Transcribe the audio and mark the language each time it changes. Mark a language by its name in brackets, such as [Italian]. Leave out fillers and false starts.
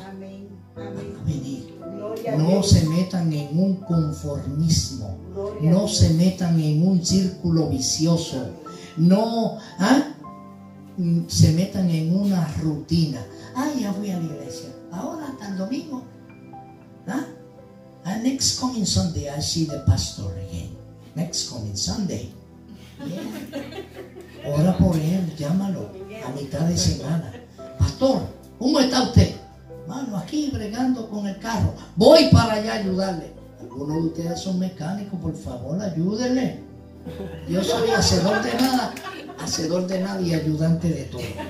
[Spanish] Amén. Van a venir. No se metan en un conformismo. No se metan en un círculo vicioso. No, se metan en una rutina. Ah, ya voy a la iglesia. Ahora hasta el domingo. [English] And next coming Sunday I see the pastor again. Next coming Sunday. Yeah. [Spanish] Ora por él, llámalo a mitad de semana. Pastor, ¿cómo está usted? Mano, aquí bregando con el carro. Voy para allá a ayudarle. Algunos de ustedes son mecánicos, por favor, ayúdenle. Yo soy hacedor de nada y ayudante de todo.